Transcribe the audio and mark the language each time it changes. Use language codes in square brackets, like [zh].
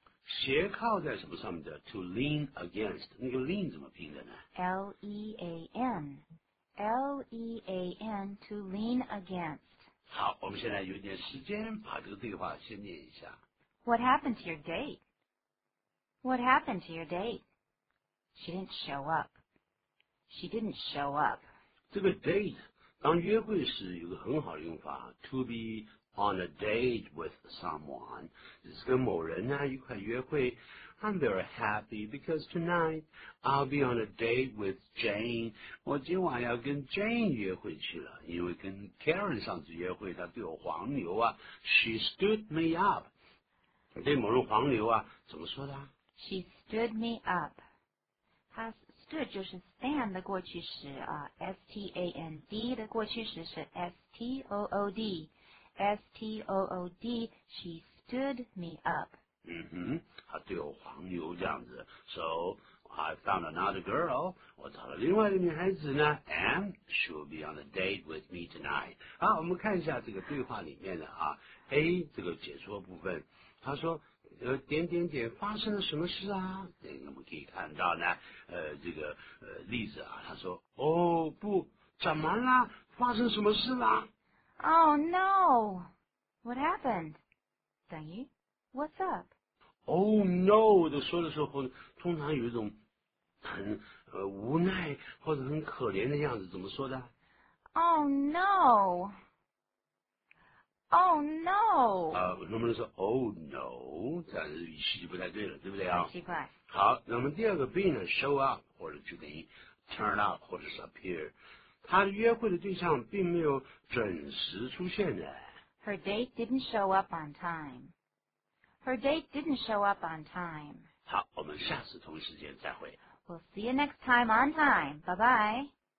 [zh] 斜靠在什么上面的 [en] to lean against, [zh] 那个 lean 怎么拼的呢？ [en] L-E-A-N, L-E-A-N, to lean against. [zh] 好，我们现在有点时间把这个对话先念一下。 [en] What happened to your date? What happened to your date? She didn't show up. She didn't show up. [zh] 这个 date, 当约会时有个很好的用法 [en] to be on a date with someone, [zh] 就是跟某人呢一块约会。 [en] I'm very happy because tonight I'll be on a date with Jane. [zh] 我今晚要跟 Jane 约会去了，因为跟 Karen 上次约会她对我黄牛啊。 [en] She stood me up. [zh] 对某人黄牛啊，怎么说的？ [en] She stood me up. [zh] 她 stood 就是 stand 的过去式啊， S-T-A-N-D 的过去式是 S-T-O-O-D. [en] S-T-O-O-D, she stood me up. [zh] 他对我黄牛这样子。 [en] So, I found another girl. [zh] 我找了另外一个女孩子呢。 [en] And she will be on a date with me tonight. [zh] 好，我们看一下这个对话里面的啊。A, 这个解说部分。他说点点点发生了什么事啊，那我们可以看到呢这个例子啊。他说哦不怎么啦，发生什么事啦。 [en] Oh no! What happened? [zh] 等于 [en] What's up? [zh] Oh no, 都说的时候通常有一种很无奈或者很可怜的样子，怎么说的？ [en] Oh no, oh no. [zh] 能不能说 oh no, 这样语气就不太对了，对不对啊？奇怪。好，那么第二个 [en] being show up, [zh] 或者就等于 turn up, 或者是 appear, 他约会的对象并没有准时出现的。 [en] Her date didn't show up on time. Her date didn't show up on time. [zh] 好，我们下次同时间再会。 [en] We'll see you next time on time. Bye-bye.